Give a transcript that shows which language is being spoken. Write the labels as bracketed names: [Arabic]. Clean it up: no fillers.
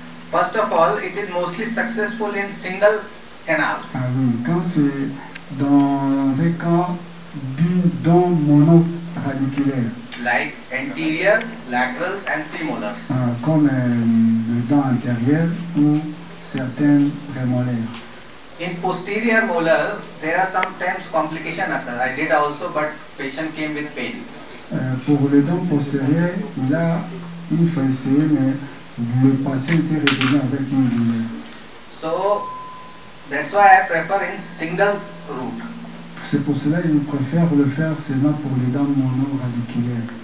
[English] First of all, it is mostly successful in single canal. [French] Ah oui, quand c'est dans un cas d'un monoraniculaire. [English] Like anterior, laterals and premolars. [French] Ah, comme le dent antérieur ou certaines prémolaires. [English] In posterior molar, there are sometimes complications occur. I did also, but patient came with pain. [French] Pour le dent postérieur, il a une fessée, mais le patient est revenu avec une douleur. [English] So, that's why I prefer in single root. [French] C'est pour cela que je préfère le faire seulement pour les dents monoraniculaires.